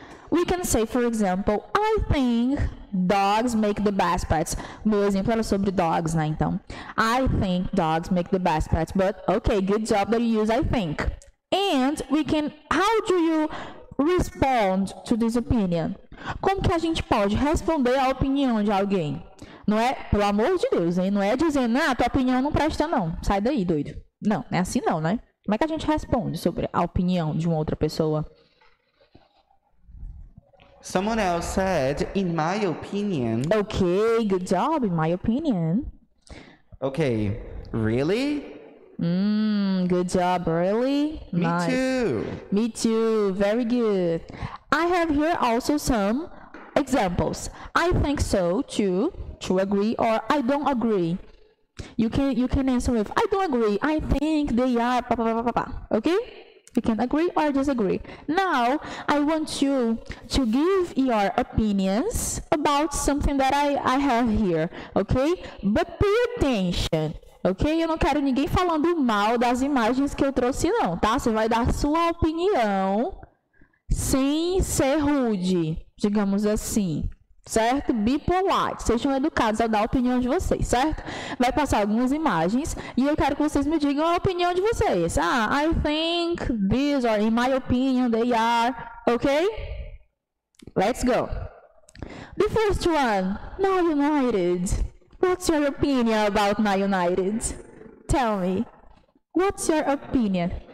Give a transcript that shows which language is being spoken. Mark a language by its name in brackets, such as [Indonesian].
[English] We can say, for example, I think dogs make the best pets. [Portuguese] Meu exemplo era sobre dogs, né, então. [English] I think dogs make the best pets. But, okay, good job that you use I think. And we can, how do you respond to this opinion? [Portuguese] Como que a gente pode responder à opinião de alguém? Não é, pelo amor de Deus, hein? Não é dizendo, ah, tua opinião não presta, não. Sai daí, doido. Não, é assim não, né? Como é que a gente responde sobre a opinião de uma outra pessoa? [English] Someone else said, in my opinion. Okay, good job, in my opinion. Okay, really? Good job, really? Me nice. Too. Me too, very good. I have here also some examples. I think so, too. To agree or I don't agree. You can answer with I don't agree. I think they are blah, blah, blah, blah, blah, blah. Okay? You can agree or disagree. Now I want you to give your opinions about something that I have here. Okay? But pay attention. [Portuguese] Okay? Eu não quero ninguém falando mal das imagens que eu trouxe, não, tá? Você vai dar sua opinião sem ser rude, digamos assim. certo? [English] Be polite, [Portuguese] sejam educados ao dar a opinião de vocês, certo? Vai passar algumas imagens e eu quero que vocês me digam a opinião de vocês. [English] Ah, I think these are, in my opinion, they are, ok? Let's go. The first one, Man United. What's your opinion about Man United? Tell me, what's your opinion?